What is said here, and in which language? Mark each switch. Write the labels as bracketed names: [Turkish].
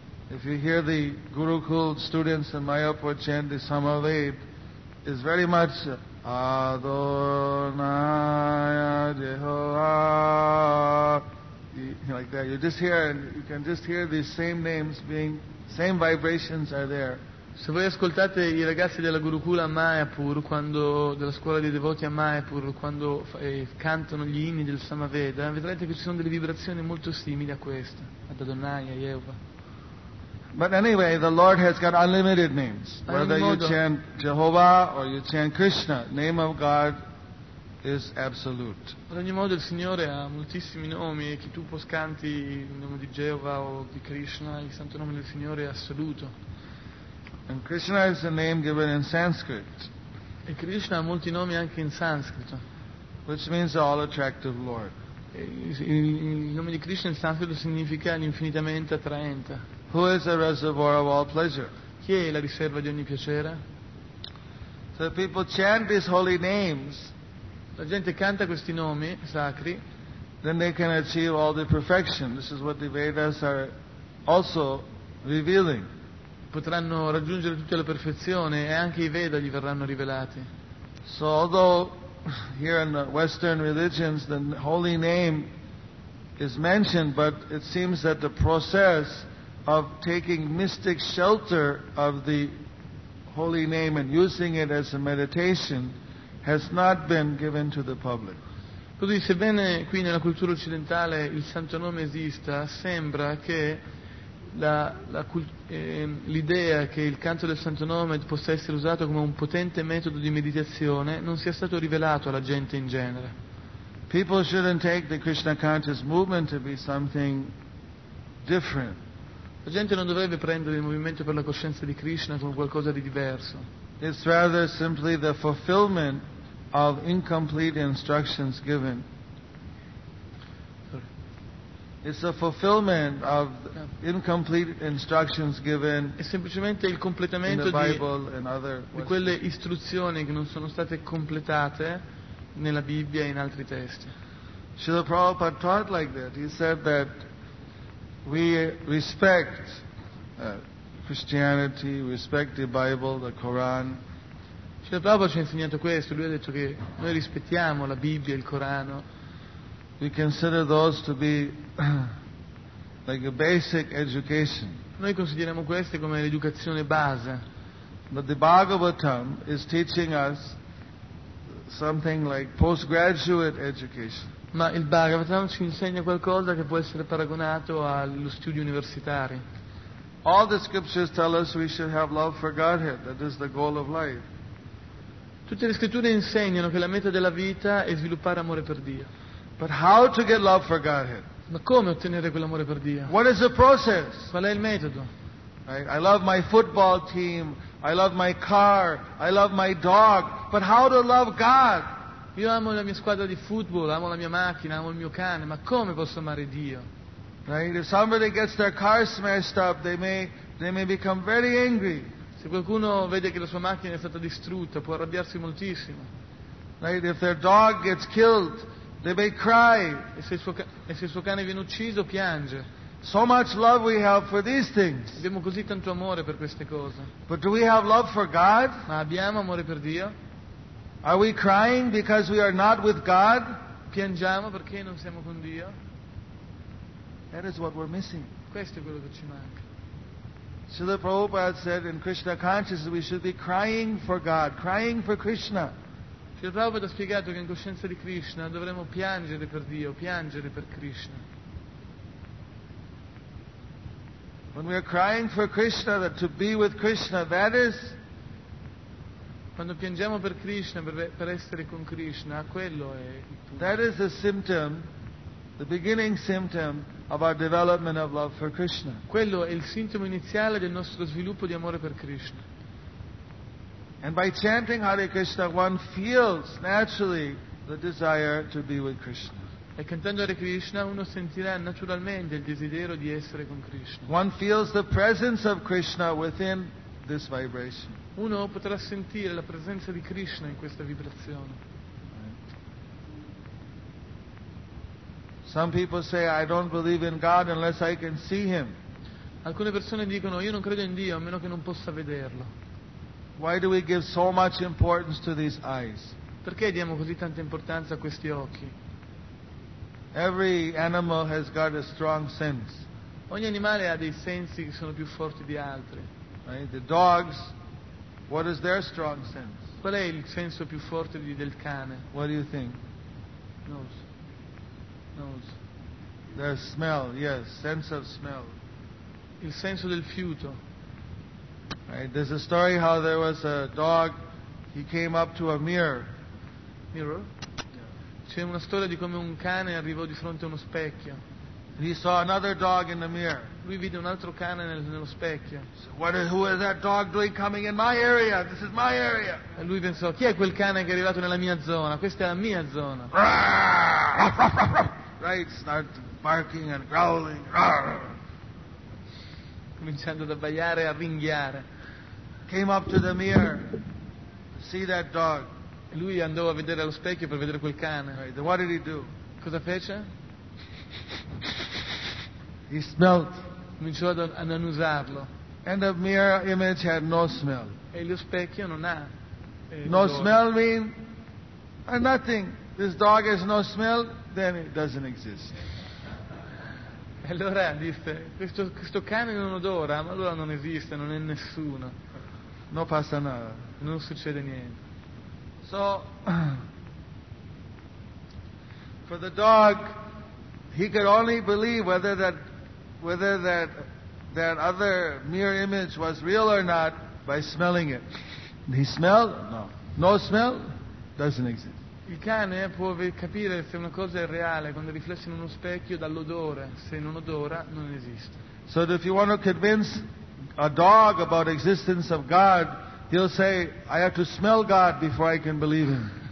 [English] If you hear the Gurukul students in Mayapur chant the Samaveda, is very much Adonai Jehovah, like that. You just hear, and you can just hear these same names being, same vibrations are there. [Italian] Se voi ascoltate i ragazzi della Gurukula a Mayapur, quando, della scuola dei devoti a Mayapur, quando cantano gli inni del Samaveda, vedrete che ci sono delle vibrazioni molto simili a questa, ad Adonai, a Yehovah. [English] But anyway, the Lord has got unlimited names. Whether you chant Jehovah or you chant Krishna, name of God is absolute. [Italian] Ad ogni modo, il Signore ha moltissimi nomi e chi tu poscanti il nome di Jehovah o di Krishna, il santo nome del Signore è assoluto. [English] And Krishna is a name given in Sanskrit. [Italian] E Krishna ha molti nomi anche in sanscrito. [English] Which means all attractive Lord. [Italian] Il nome di Krishna in sanscrito significa l'infinitamente attraente. [English] Who is the reservoir of all pleasure? [Italian] Chi è la riserva di ogni piacere? [English] So people chant these holy names. [Italian] La gente canta questi nomi sacri. [English] Then they can achieve all the perfection. This is what the Vedas are also revealing. [Italian] Potranno raggiungere tutta la perfezione e anche i Veda gli verranno rivelati. [English] So although here in the Western religions the holy name is mentioned, but it seems that the process of taking mystic shelter of the holy name and using it as a meditation has not been given to the public. [Italian] Così, sebbene qui nella cultura occidentale il santo nome esista, sembra che l'idea che il canto del santo nome possa essere usato come un potente metodo di meditazione non sia stato rivelato alla gente in genere. [English] People shouldn't take the Krishna conscious movement to be something different. [Italian] La gente non dovrebbe prendere il movimento per la coscienza di Krishna come qualcosa di diverso. [English] It's rather simply the fulfillment of incomplete instructions given. It's a fulfillment of incomplete instructions given. [Italian] È semplicemente il completamento di quelle istruzioni che non sono state completate nella Bibbia e in altri testi. [English] Srila Prabhupada taught like that. He said that we respect Christianity, respect the Bible, the Quran. [Italian] Srila Prabhupada ci ha insegnato questo. Lui ha detto che noi rispettiamo la Bibbia e il Corano. [English] We consider those to be like a basic education. [Italian] Noi consideriamo queste come l'educazione base. [English] But the Bhagavatam is teaching us something like postgraduate education. [Italian] Ma il Bhagavatam ci insegna qualcosa che può essere paragonato allo studio universitario. [English] All the scriptures tell us we should have love for Godhead, that is the goal of life. [Italian] Tutte le scritture insegnano che la meta della vita è sviluppare amore per Dio. [English] But how to get love for Godhead? [Italian] Ma come ottenere quell'amore per Dio? [English] What is the process? [Italian] Qual è il metodo? [English] I love my football team, I love my car, I love my dog, but how to love God? [Italian] Io amo la mia squadra di football, amo la mia macchina, amo il mio cane, ma come posso amare Dio? [English] Right? If somebody gets their car smashed up, they may become very angry. [Italian] Se qualcuno vede che la sua macchina è stata distrutta, può arrabbiarsi moltissimo. [English] Right? If their dog gets killed, they may cry. [Italian] E se il suo cane viene ucciso, piange. [English] So much love we have for these things. [Italian] Abbiamo così tanto amore per queste cose. [English] But do we have love for God? [Italian] Ma abbiamo amore per Dio? [English] Are we crying because we are not with God? [Italian] Piangiamo perché non siamo con Dio? [English] That is what we're missing. [Italian] Questo è quello che ci manca. [English] Srila Prabhupada said in Krishna consciousness we should be crying for God, crying for Krishna. [Italian] Srila Prabhupada ha spiegato che in coscienza di Krishna dovremmo piangere per Dio, piangere per Krishna. [English] When we are crying for Krishna, that to be with Krishna, that is. [Italian] Quando piangiamo per Krishna, per essere con Krishna, quello è. [English] That is a symptom, the beginning symptom of our development of love for Krishna. [Italian] Quello è il sintomo iniziale del nostro sviluppo di amore per Krishna. [English] And by chanting Hare Krishna, one feels naturally the desire to be with Krishna. [Italian] E cantando Hare Krishna, uno sentirà naturalmente il desiderio di essere con Krishna. [English] One feels the presence of Krishna within this vibration. [Italian] Uno potrà sentire la presenza di Krishna in questa vibrazione. [English] Some people say, I don't believe in God unless I can see Him. [Italian] Alcune persone dicono, io non credo in Dio a meno che non possa vederlo. [English] Why do we give so much importance to these eyes? [Italian] Perché diamo così tanta importanza a questi occhi? [English] Every animal has got a strong sense. [Italian] Ogni animale ha dei sensi che sono più forti di altri. [English] Right? The dogs, what is their strong sense? [Italian] Qual è il senso più forte del cane? [English] What do you think? Nose. The smell, yes, sense of smell. [Italian] Il senso del fiuto. [English] Right? There's a story how there was a dog, he came up to a mirror. Mirror? [Italian] C'è una storia di come un cane arrivò di fronte a uno specchio. [English] And he saw another dog in the mirror. [Italian] Lui vide un altro cane nello specchio. [English] So who is that dog doing coming in my area? This is my area. [Italian] E lui pensò, chi è quel cane che è arrivato nella mia zona? Questa è la mia zona. [English] Right, start barking and growling. [Italian] Cominciando ad abbaiare e a ringhiare. [English] Came up to the mirror to see that dog. [Italian] Lui andò a vedere allo specchio per vedere quel cane. [English] Right, what did he do? [Italian] Cosa fece? [English] He smelled. [Italian] Cominciò ad annusarlo. [English] And the mirror image had no smell. [Italian] E lo specchio non ha. [English] No smell mean nothing. This dog has no smell, then it doesn't exist. [Italian] Allora disse, questo cane non odora, ma allora non esiste, non è nessuno. Non passa nada. Non succede niente. [English] So, for the dog, he could only believe whether that other mirror image was real or not by smelling it. He smelled? No. No smell? Doesn't exist. [Italian] Il cane può capire se una cosa è reale quando riflette in uno specchio dall'odore. Se non odora, non esiste. [English] So if you want to convince a dog about the existence of God, he'll say, I have to smell God before I can believe him.